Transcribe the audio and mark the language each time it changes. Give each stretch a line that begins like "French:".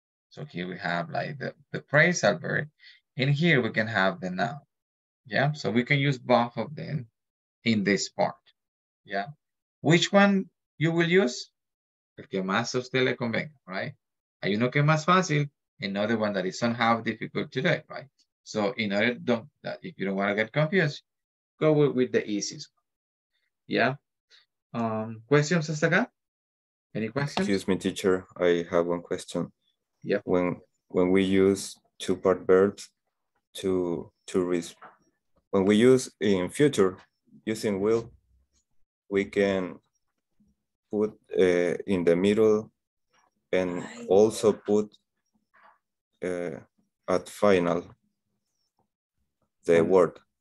English: So here we have, like, the phrasal verb, and here we can have the noun, yeah, so we can use both of them in this part, yeah. Which one you will use?
Spanish: El que más a usted le convenga, right? Hay uno que más fácil,
English: another one that is somehow difficult today, right? So in order to, that if you don't want to get confused, go with the easiest one. Yeah? Questions
Spanish: hasta acá?
English: Any questions? Excuse me, teacher, I have one question. Yeah. When we use two-part verbs to risk, when we use in future, using will, we can put in the middle and also put at final the word.